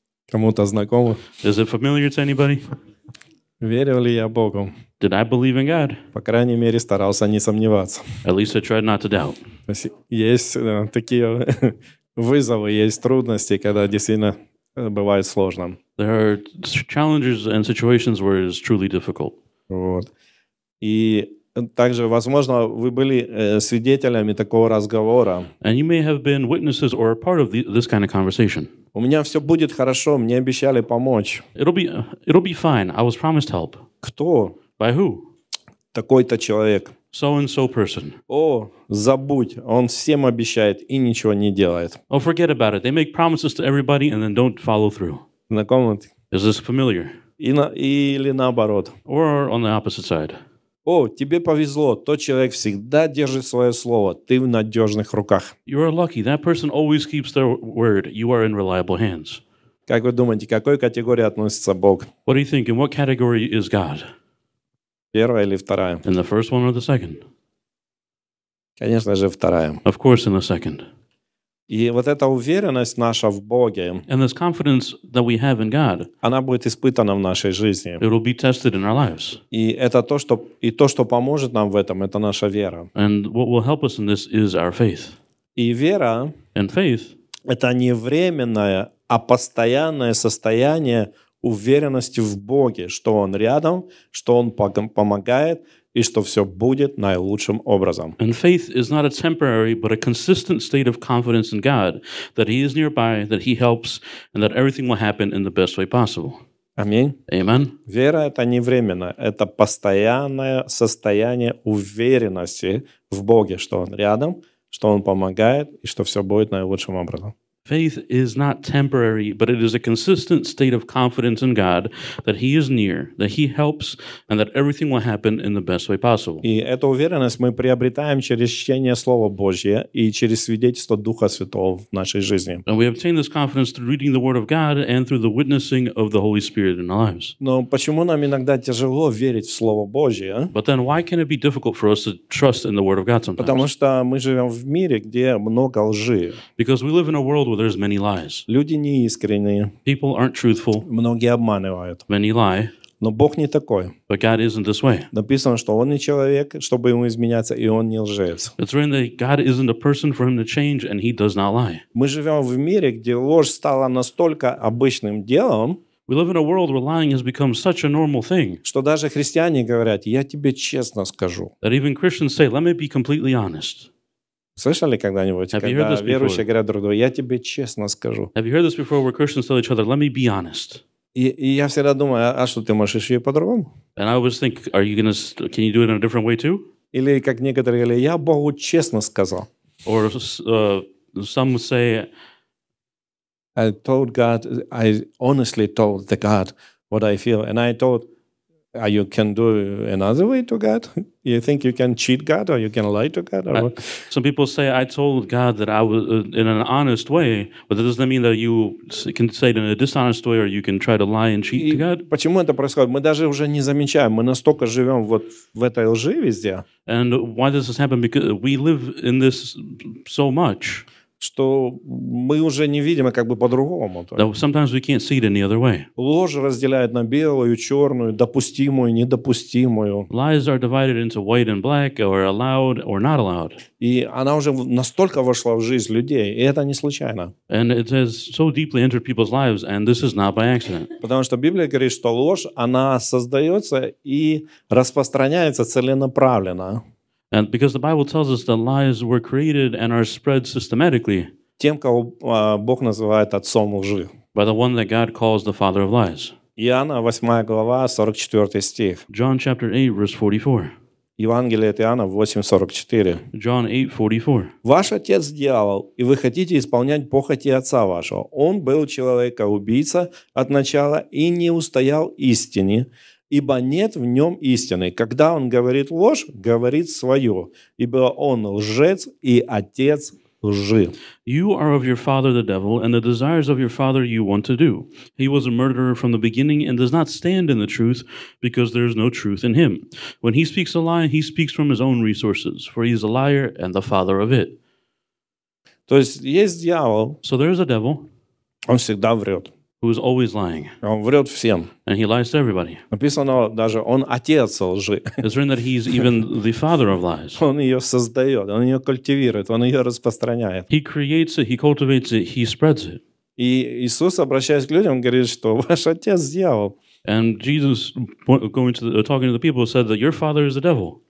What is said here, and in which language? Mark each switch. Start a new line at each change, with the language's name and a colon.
Russian: Кому-то знакомо?
English: Is it familiar to anybody?
Russian: Верил ли я Богу?
English: Did I believe in God?
Russian: По крайней мере, старался не сомневаться.
English: At least I tried not to doubt.
Russian: Есть такие вызовы, есть трудности, когда действительно бывает сложно.
English: There are challenges and situations where it is truly difficult.
Russian: Вот. И также, возможно, вы были свидетелями такого разговора.
English: And you may have been witnesses or a part of this kind of conversation.
Russian: У меня все будет хорошо, мне обещали помочь.
English: It'll be fine. I was promised help.
Russian: Кто?
English: By who?
Russian: Такой-то человек.
English: So and so person.
Russian: О, забудь, он всем обещает и ничего не делает.
English: Oh, forget about it. They make promises to everybody and then don't follow through.
Russian: Знакомый?
English: Is this familiar?
Russian: Или наоборот.
English: Or on the opposite side.
Russian: О, тебе повезло, тот человек всегда держит свое слово, ты в надежных руках.
English: You are lucky, that person always keeps their word, you are in reliable hands.
Russian: Как вы думаете, к какой категории относится Бог?
English: What do you think, in what category is God?
Russian: Первая или вторая?
English: In the first one or the second?
Russian: Конечно же, вторая.
English: Of course, in the second.
Russian: И вот эта уверенность наша в Боге,
English: and this confidence that we have in God,
Russian: она будет испытана в нашей жизни.
English: It will be tested in our lives.
Russian: И это то, что поможет нам в этом, это наша вера.
English: And what will help us in this is our faith.
Russian: И вера,
English: and faith,
Russian: это не временное, а постоянное состояние уверенности в Боге, что Он рядом, что Он помогает. И что все будет наилучшим образом.
English: And faith is not a temporary, but a consistent state of confidence in God, that He is nearby, that He helps, and that everything will happen in the best way possible.
Russian: Аминь.
English: Amen.
Russian: Вера — это не временно, это постоянное состояние уверенности в Боге, что Он рядом, что Он помогает, и что все будет наилучшим образом.
English: Faith is not temporary, but it is a consistent state of confidence in God, that He is near, that He helps, and that everything will happen in the best way possible.
Russian: И эту уверенность мы приобретаем через чтение Слова Божьего и через свидетельство Духа Святого в нашей жизни.
English: And we obtain this confidence through reading the Word of God and through the witnessing of the Holy Spirit in our lives.
Russian: Но почему нам иногда тяжело верить в Слово Божье?
English: But then why can it be difficult for us to trust in the Word of God sometimes?
Russian: Потому что мы живем в мире, где много лжи.
English: Because we live in a world where there's many lies.
Russian: Люди неискренние.
English: People aren't truthful.
Russian: Многие обманывают.
English: Many lie.
Russian: Но Бог не такой.
English: But God isn't this way.
Russian: Написано, что Он не человек, чтобы Ему изменяться, и Он не лжец.
English: It's written that God isn't a person for Him to change, and He does not lie.
Russian: Мы живем в мире, где ложь стала настолько обычным делом,
English: we live in a world where lying has become such a normal thing,
Russian: что даже христиане говорят, я тебе честно скажу.
English: That even Christians say, let me be completely honest.
Russian: Слышали когда-нибудь,
English: have
Russian: когда верующие говорят друг другу, я тебе честно скажу.
English: Have you heard this before where Christians tell each other, let me be honest?
Russian: И я всегда думаю, а что, ты можешь еще и по-другому?
English: And I always think, are you gonna, can you do it in a different way too?
Russian: Или как некоторые говорят, я Богу честно сказал.
English: Or some say, I told God, I honestly told the God what I feel, and I told, you can do another way to God? You think you can cheat God or you can lie to God? Or some people say, I told God that I was in an honest way, but that doesn't mean that you can say it in a dishonest way or you can try to lie and cheat to God.
Russian: Почему это происходит? Мы даже уже не замечаем. Мы настолько живем вот в этой лжи везде.
English: And why does this happen? Because we live in this so much.
Russian: Что мы уже не видим как бы по-другому.
English: Sometimes we can't see it any other way.
Russian: Ложь разделяет на белую, черную, допустимую, недопустимую.
English: Lies are divided into white and black, or allowed, or not allowed.
Russian: И она уже настолько вошла в жизнь людей, и это не случайно.
English: And it has so deeply entered people's lives, and this is not by accident.
Russian: Потому что Библия говорит, что ложь, она создается и распространяется целенаправленно.
English: And because the Bible tells us that lies were created and are spread systematically,
Russian: тем, кого Бог называет отцом лжи.
English: By the one that God calls the father of lies.
Russian: Иоанна 8 глава, 44 стих.
English: John chapter 8, verse 44.
Russian: Евангелие от Иоанна 8:44.
English: John 8:44.
Russian: Ваш отец дьявол, и вы хотите исполнять похоти отца вашего. Он был человека-убийца от начала и не устоял истине, ибо нет в нем истины. Когда он говорит ложь, говорит свое, ибо он лжец и отец лжи.
English: You are of your father the devil, and the desires of your father you want to do. He was a murderer from the beginning and does not stand in the truth, because there is no truth in him. When he speaks a lie, he speaks from his own resources, for he is a liar and the father of it.
Russian: То есть есть дьявол.
English: So there is a devil.
Russian: Он всегда врет.
English: Who is always lying.
Russian: Он врет всем.
English: And he lies to everybody.
Russian: Написано даже, он отец лжи.
English: It's written that he is even the father of lies.
Russian: Он ее создает, он ее культивирует, он ее распространяет.
English: He creates it, he cultivates it, he spreads it.
Russian: И Иисус, обращаясь к людям, говорит, что ваш отец дьявол.
English: And Jesus, talking to the people, said that your father is the devil.